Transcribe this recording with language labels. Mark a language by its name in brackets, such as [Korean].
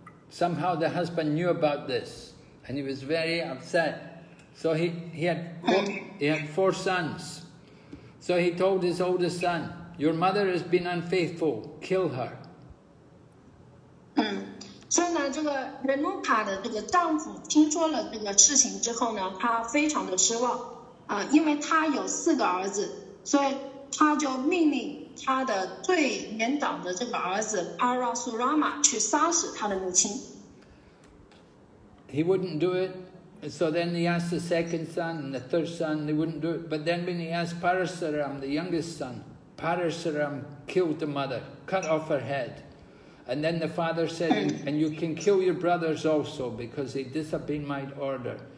[English] somehow the husband knew about this, and he was very upset. So he had four sons. So he told his oldest son, "Your mother has been unfaithful, kill her." [Chinese] 所以呢，这个人努卡的这个丈夫听说了这个事情之后呢，他非常的失望，因为他有四个儿子，所以他就命令他的最年长的这个儿子帕拉苏拉玛去杀死他的母亲。 [English] He wouldn't do it. So then he asked the second son and the third son, they wouldn't do it. But then when he asked Parasaram, the youngest son, Parasaram killed the mother, cut off her head. And then the father said, and you can kill your brothers also because they disobeyed my order.